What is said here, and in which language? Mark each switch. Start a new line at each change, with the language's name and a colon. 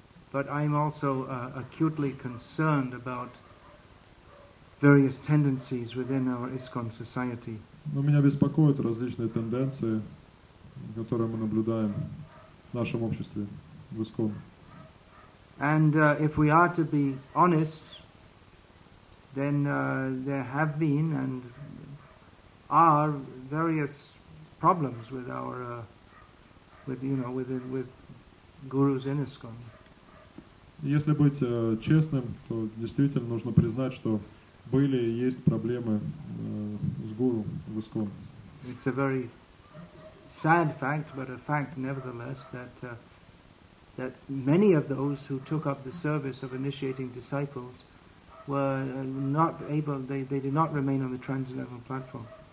English: But I'm also acutely concerned about various tendencies within our ISKCON society.
Russian: Но меня беспокоят различные тенденции, которые мы наблюдаем в нашем обществе в ISKCON.
English: And if we are to be honest, then there have been and are various problems with our with gurus in ISKCON.
Russian: Если быть честным, то действительно нужно признать, что были и есть проблемы с гуру в ИСКОН.
English: It's a very sad fact, but a fact nevertheless that many of those who took up the service of initiating disciples were not able, they did not remain on the transcendental platform.